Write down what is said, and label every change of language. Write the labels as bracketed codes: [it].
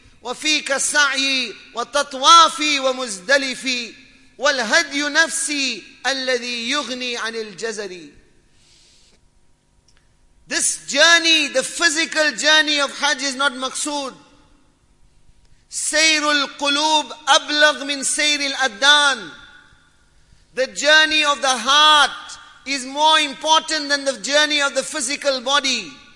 [ar] وفيك سعي وتطوافي ومزدلفي والهدي نفسي الذي يغني عن الجزري. [en] This journey, the physical journey of Hajj, is not maqsood. [ar] سير القلوب أبلغ من سير الأدان. [en] The journey of the heart is more important than the journey of the physical body.